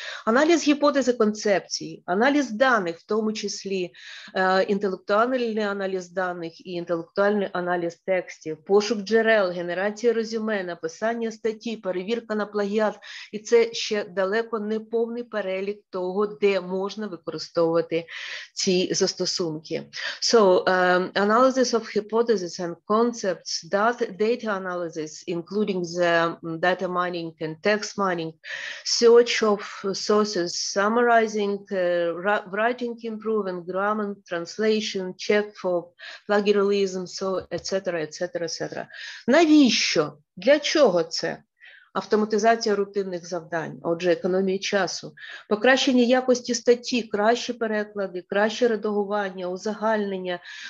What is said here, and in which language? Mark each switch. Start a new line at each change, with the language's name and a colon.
Ukrainian: Аналіз гіпотези концепції, аналіз даних, в тому числі інтелектуальний аналіз даних і інтелектуальний аналіз текстів, пошук джерел, генерація резюме, написання статті, перевірка на плагіат. І це ще далеко не повний перелік того, де можна використовувати ці застосунки.
English: So, analysis of hypotheses and concepts, data analysis, include the data mining and text mining, search of sources, summarizing, writing improvement, grammar, translation, check for plagiarism, so, etc., etc., etc.
Ukrainian: Навіщо? Для чого це? Автоматизація рутинних завдань, отже, економія часу, покращення якості статті, кращі переклади, краще редагування, узагальнення,